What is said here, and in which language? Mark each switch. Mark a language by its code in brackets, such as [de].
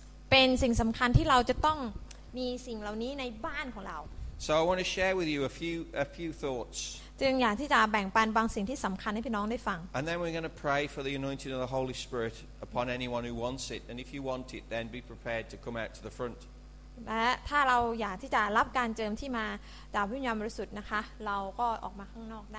[th] เป็นสิ่งสำคัญที่เราจะต้องมีสิ่งเหล่านี้ในบ้านของเรา [en] So I want to share with you a few thoughts. [th] จึงอยากที่จะแบ่งปันบางสิ่งที่สำคัญให้พี่น้องได้ฟัง [en] And then we're going to pray for the anointing of the Holy Spirit upon anyone who wants it. And if you want it, then be prepared to come out to the front. [th] และถ้าเราอยากที่จะรับการเจิมที่มาจากพระวิญญาณบริสุทธิ์นะคะเราก็ออกมาข้างนอกได